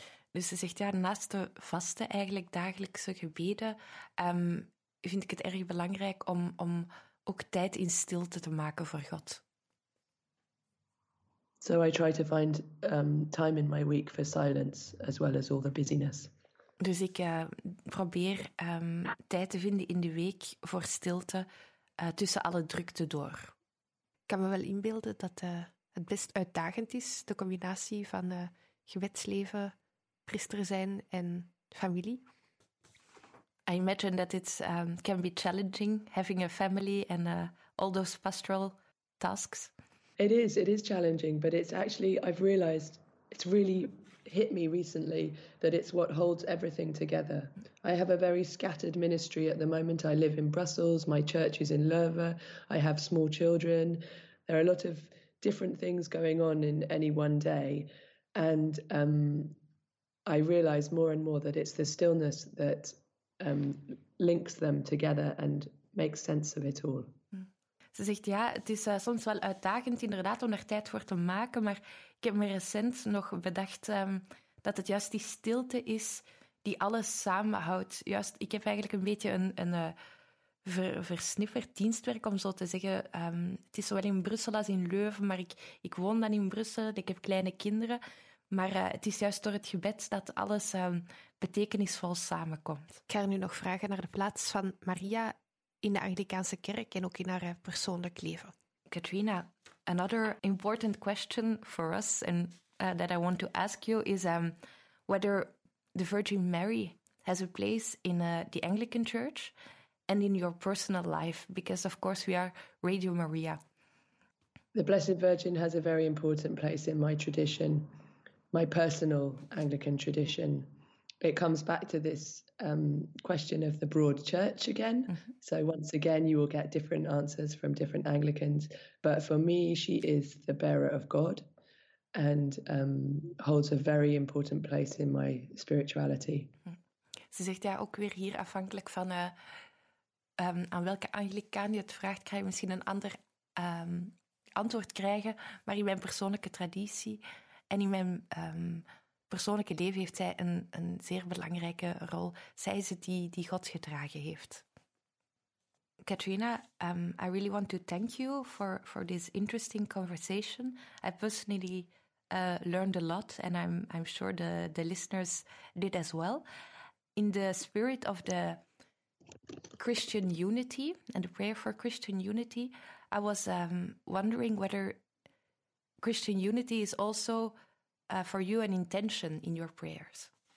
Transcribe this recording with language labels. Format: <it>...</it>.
<nl>Dus ze zegt, ja, naast de vaste eigenlijk dagelijkse gebeden, vind ik het erg belangrijk om ook tijd in stilte te maken voor God.</nl> <en>So I try to find time in my week for silence as well as all the busyness.</en> <nl>Dus ik probeer tijd te vinden in de week voor stilte tussen alle drukte door. Ik kan me wel inbeelden dat het best uitdagend is, de combinatie van gebedsleven, priester zijn en familie.</nl> <en>I imagine that it can be challenging having a family and all those pastoral tasks. It is challenging, but it's actually, I've realized, it's really hit me recently that it's what holds everything together. I have a very scattered ministry at the moment. I live in Brussels, my church is in Leuven, I have small children. There are a lot of different things going on in any one day. And I realize more and more that it's the stillness that links them together and makes sense of it all.</en> <nl>Ze zegt, ja, het is soms wel uitdagend inderdaad om er tijd voor te maken, maar ik heb me recent nog bedacht dat het juist die stilte is die alles samenhoudt. Juist, ik heb eigenlijk een beetje versnifferd dienstwerk, om zo te zeggen. Het is zowel in Brussel als in Leuven, maar ik woon dan in Brussel, ik heb kleine kinderen. Maar het is juist door het gebed dat alles betekenisvol samenkomt. Ik ga nu nog vragen naar de plaats van Maria in de Anglicaanse kerk en ook in haar persoonlijk leven.</nl> <en>Katrina, another important question for us and that I want to ask you is whether the Virgin Mary has a place in the Anglican Church and in your personal life, because of course we are Radio Maria. The Blessed Virgin has a very important place in my tradition. my personal Anglican tradition, it comes back to this question of the broad church again. Mm-hmm. So once again, you will get different answers from different Anglicans. But for me, she is the bearer of God and holds a very important place in my spirituality.</en> <nl>Ze zegt ja ook weer hier afhankelijk van aan welke Anglicaan je het vraagt, krijg je misschien een ander antwoord krijgen. Maar in mijn persoonlijke traditie en in mijn persoonlijke leven heeft zij een zeer belangrijke rol. Zij is het die God gedragen heeft.</nl> <en>Katrina, I really want to thank you for this interesting conversation. I personally learned a lot and I'm sure the listeners did as well. In the spirit of the Christian unity and the prayer for Christian unity, I was wondering whether Christian unity is also for you an intention in your prayers.</en>